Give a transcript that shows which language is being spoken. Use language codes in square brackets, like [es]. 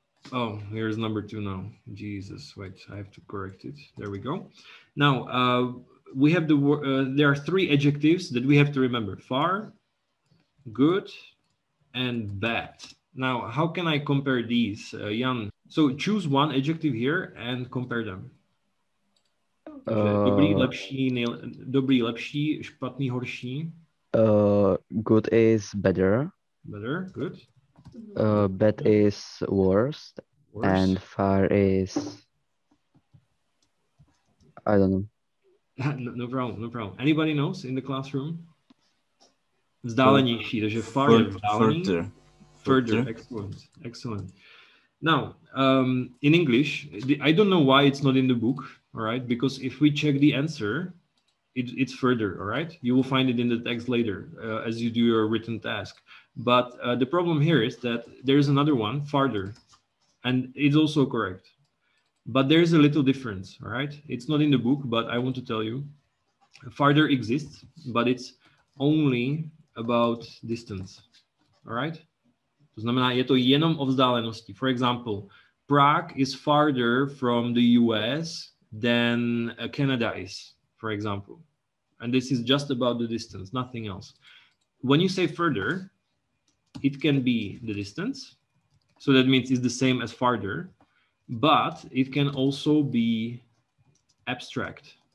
[en] Oh, here's number two now. Jesus, wait, I have to correct it. There we go. Now, we have the there are three adjectives that we have to remember: far, good, and bad. Now, how can I compare these, Jan? So choose one adjective here and compare them. [cs] Dobrý, lepší, dobrý, lepší, špatný, horší. [en] Good is better. Better, good. Bad is worst. Worse. And far is, I don't know. No problem. Anybody knows in the classroom? [cs] Vzdálenější, takže far je vzdálený. [en] Further, excellent. Now, in English, I don't know why it's not in the book, all right? Because if we check the answer, it's further, all right? You will find it in the text later as you do your written task. But the problem here is that there is another one, farther, and it's also correct. But there is a little difference, all right? It's not in the book, but I want to tell you. Farther exists, but it's only about distance, all right? [cs] To znamená, je to jenom o vzdálenosti. [en] For example, Prague is farther from the US than Canada is, for example. And this is just about the distance, nothing else. When you say further, it can be the distance. So that means it's the same as farther, but it can also be abstract.